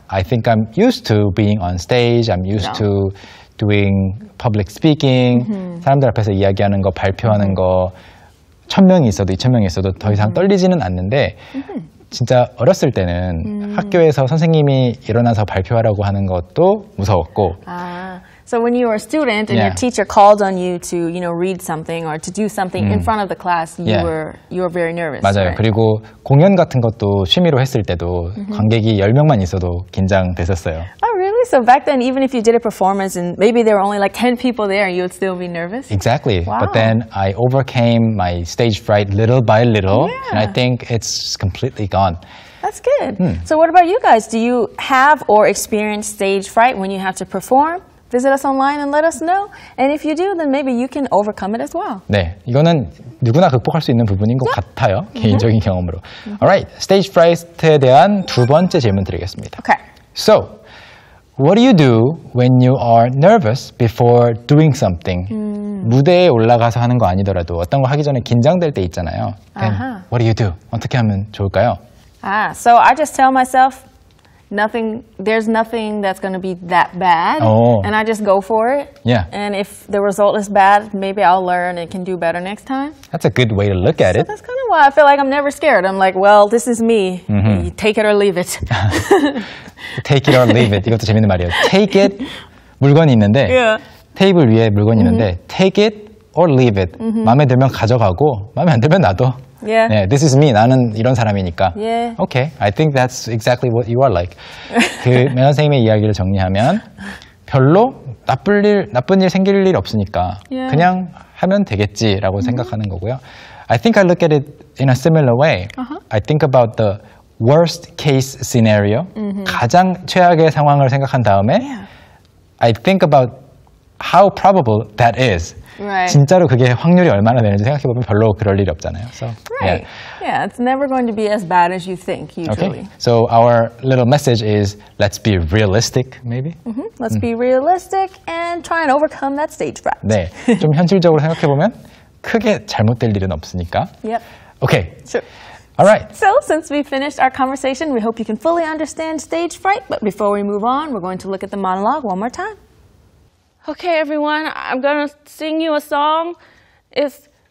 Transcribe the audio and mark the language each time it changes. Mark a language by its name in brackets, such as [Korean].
[English] I think I'm used to being on stage. I'm used to doing public speaking. Mm-hmm. [Korean] 사람들 앞에서 이야기하는 거, 발표하는 거, 천 명이 있어도 이천 명이 있어도 더 이상 떨리지는 않는데 진짜 어렸을 때는 학교에서 선생님이 일어나서 발표하라고 하는 것도 무서웠고. [English] So when you were a student and your teacher called on you to, you know, read something or to do something in front of the class, you were very nervous. [Korean] 맞아요. [English] Right? [Korean] 그리고 공연 같은 것도 취미로 했을 때도 관객이 10명만 있어도 긴장됐었어요. [English] Oh, really? So back then, even if you did a performance and maybe there were only like 10 people there, you would still be nervous? Exactly. Wow. But then I overcame my stage fright little by little, and I think it's completely gone. That's good. So what about you guys? Do you have or experience stage fright when you have to perform? Visit us online and let us know. And if you do, then maybe you can overcome it as well. [Korean] 네, 이거는 누구나 극복할 수 있는 부분인 것 같아요. 개인적인 경험으로. Alright, stage fright에 대한 두 번째 질문 드리겠습니다. [English] Okay. So, what do you do when you are nervous before doing something? [Korean] 무대에 올라가서 하는 거 아니더라도 어떤 거 하기 전에 긴장될 때 있잖아요. [English] Then, what do you do? [Korean] 어떻게 하면 좋을까요? [English] So I just tell myself, nothing, there's nothing that's going to be that bad, and I just go for it. Yeah. And if the result is bad, maybe I'll learn and can do better next time. That's a good way to look at it. So that's kind of why I feel like I'm never scared. I'm like, well, this is me. Mm-hmm. Take it or leave it. Take it or leave it. [Korean] 이것도 재밌는 말이에요. Take it, 물건이 있는데, 테이블 위에 물건이 있는데, [English] take it or leave it. [Korean] 마음에 들면 가져가고, 마음에 안 들면 놔둬. [English] Yeah. Yeah, this is me. [Korean] 나는 이런 사람이니까. [English] Yeah. Okay, I think that's exactly what you are like. [Korean] 그 매너 선생님의 이야기를 정리하면 별로 나쁜 일 생길 일 없으니까 그냥 하면 되겠지라고 생각하는 거고요. [English] I think I look at it in a similar way. I think about the worst case scenario. [Korean] 가장 최악의 상황을 생각한 다음에 [English] I think about how probable that is. Right. [Korean] 진짜로 그게 확률이 얼마나 되는지 생각해 보면 별로 그럴 일이 없잖아요. [English] So, right. Yeah, it's never going to be as bad as you think, usually. Okay. So our little message is, let's be realistic, maybe. Let's be realistic and try and overcome that stage fright. [Korean] 네, 좀 현실적으로 생각해 보면 크게 잘못될 일은 없으니까. [English] Yep. Okay. Sure. All right. So since we finished our conversation, we hope you can fully understand stage fright. But before we move on, we're going to look at the monologue one more time. Okay, everyone, I'm going to sing you a song. It's...